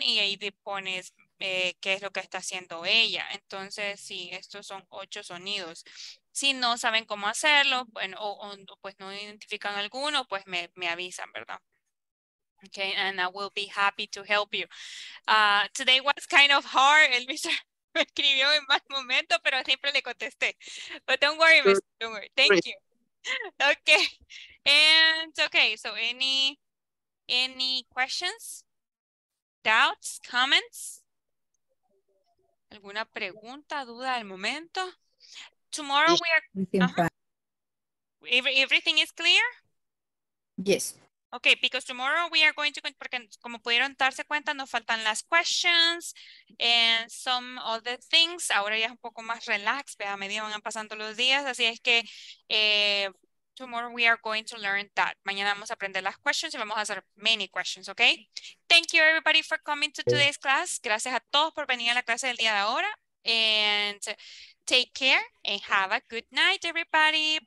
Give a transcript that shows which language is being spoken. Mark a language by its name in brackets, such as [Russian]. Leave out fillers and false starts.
[Spanish] Y ahí te pones qué es lo que está haciendo ella. Entonces, sí, estos son 8 sonidos. Si no saben cómo hacerlo, bueno, o pues no identifican alguno, pues me avisan, ¿verdad? [English] Okay, and I will be happy to help you. Today was kind of hard. [Spanish] El mister me escribió en mal momento, pero siempre le contesté. [English] But don't worry, mister. Don't worry. Thank you. Okay. And okay, so any questions, doubts, comments? [Spanish] ¿Alguna pregunta, duda al momento? [English] Tomorrow we are... Everything is clear? Yes. Okay, because tomorrow we are going to... [Spanish] Porque como pudieron darse cuenta, nos faltan las [English] questions and some other things. [Spanish] Ahora ya es un poco más relax, a medida van pasando los días, así es que... [English] tomorrow we are going to learn that. [Spanish] Mañana vamos a aprender las questions y vamos a hacer [English] many questions, okay? Thank you everybody for coming to today's class. [Spanish] Gracias a todos por venir a la clase del día de ahora. [English] And take care and have a good night, everybody.